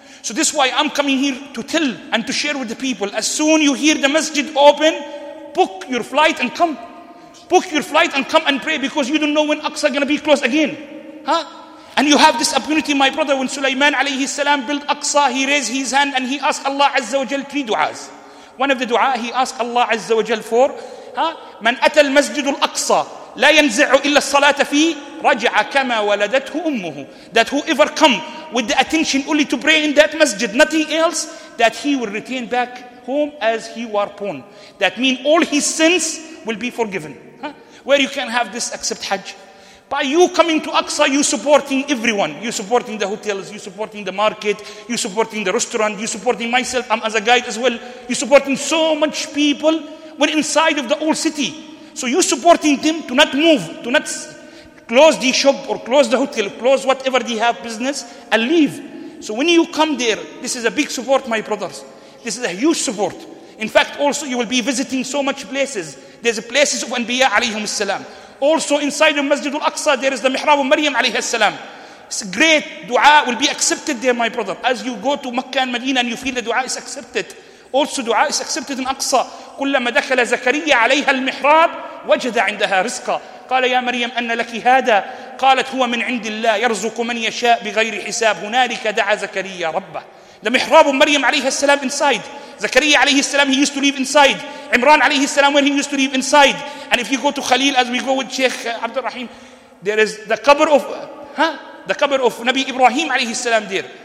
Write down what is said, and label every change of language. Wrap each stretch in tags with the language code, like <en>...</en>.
<en>So this is why I'm coming here to tell and to share with the people. As soon you hear the masjid open, book your flight and come. Book your flight and come and pray, because you don't know when Aqsa is going to be closed again. Huh? And you have this opportunity, my brother. When Sulaiman alayhi salam built Aqsa, he raised his hand and he asked Allah Azza wa Jal three du'as. One of the du'a he asked Allah Azza wa Jal for,</en> <ar>من أتى المسجد الأقصى لا ينزع إلا الصلاة فيه رجع كما ولدته أمه.</ar> <en>That whoever come with the attention only to pray in that masjid, nothing else, that he will return back home as he was born. That means all his sins will be forgiven. Where you can have this accept Hajj? By you coming to Aqsa, you supporting everyone. You supporting the hotels, you supporting the market, you supporting the restaurant, you supporting myself, I'm as a guide as well. You supporting so much people. We're inside of the old city. So you supporting them to not move, to not close the shop or close the hotel, close whatever they have business and leave. So when you come there, this is a big support, my brothers. This is a huge support. In fact, also you will be visiting so much places. There's places of Anbiya alayhim salam. Also inside of Masjid al-Aqsa, there is the Mihrab of Maryam alayhi salam. It's great dua will be accepted there, my brother. As you go to Makkah and Medina and you feel the dua is accepted. Also dua is accepted in Aqsa.</en> <ar>كلما دخل زكريا عليها المحراب وجد عندها رزقا قال يا مريم أن لك هذا قالت هو من عند الله يرزق من يشاء بغير حساب هنالك دعا زكريا ربه. The محراب مريم عليها السلام inside.</ar> <en>زكريا عليه السلام he used to live inside. عمران عليه السلام when he used to live inside. And if you go to خليل, as we go with Sheikh عبد الرحيم, there is the cover of the cover of نبي إبراهيم عليه السلام there.</en>